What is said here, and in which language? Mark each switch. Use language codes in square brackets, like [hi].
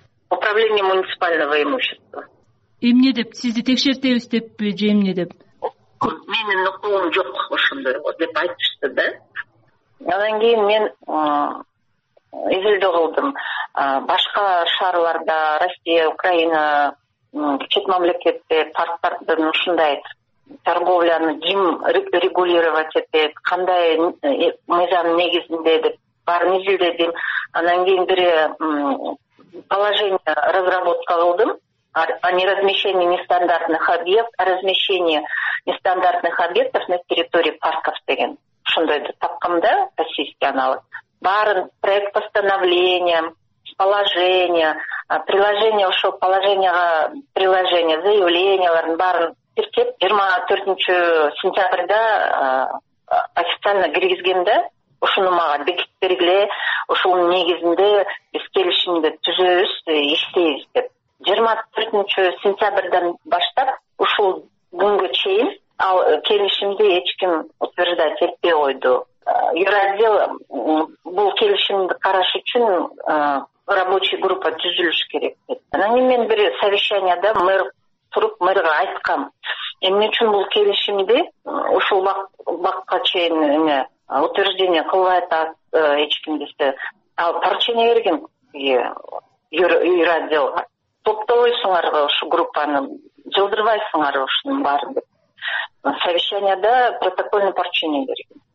[ru] Управление муниципального имущества. [ky] Эмне деп? Сизди текшертебиз деппи же эмне деп? Менин укугум жок ошондой деп айтышты да. Анан кийин мен изилдөө кылдым. Башка шаарларда, Россия, Украина, чет мамлекетте парктардын ушундай торговляны ким регулировать этет, кандай мыйзамдын негизинде деп баарын изилдедим. Анан кийин бир положение разработка кылдым [ru] о неразмещении нестандартных объектов, о размещении нестандартных объектов на территории парков [ky] деген. Ушундой тапкам да, [ru] российский аналог. [ky] Баарын проект постановления, положение, приложение ушул положенияга, приложение заявлениялардын баарын тиркеп 24 сентябрда официально киргизгем да. Ушуну мага бекит бергиле, ушунун негизинде биз келишимди түзөбүз, иштейбиз деп. 24 сентябрдан баштап ушул күнгө чейин ал келишимди эч ким утверждать этпей койду. Евразия бул келишимди караш үчүн [ru] рабочая группа [ky] түзүлүш керек деп. Анан кийин мен бир совещанияда мэр туруп мэрге айткам, эмне үчүн бул келишимди ушул убакка чейин эме утверждение кылбай атат эч ким десе, ал поручение берген евразияга. Топтобойсуңарбы ушул группаны, жылдырбайсыңарбы ушунун баарын деп. Совещанияда протокольный поручение берген.